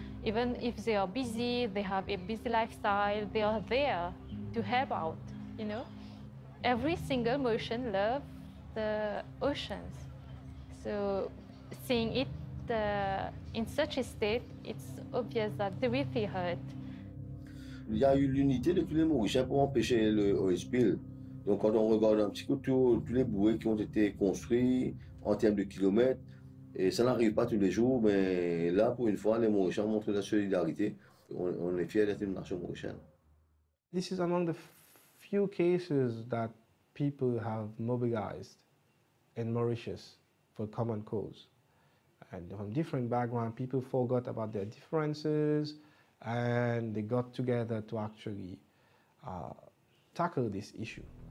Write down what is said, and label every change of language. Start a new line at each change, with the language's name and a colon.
English: Even if they are busy, they have a busy lifestyle, they are there to help out, you know? Every single motion loves the oceans. So seeing it in such a state, it's obvious that they really hurt.
French: Il y a eu l'unité de tous les Mauriciens pour empêcher le oil spill. Donc quand on regarde un petit coup tous les bouées qui ont été construites en termes de kilomètres, et ça n'arrive pas tous les jours, mais là, pour une fois, les Mauriciens montrent la solidarité. On est fiers d'être une nation mauricienne.
English: This is among the few cases that people have mobilized in Mauritius for common cause. And from different backgrounds, people forgot about their differences, and they got together to actually tackle this issue.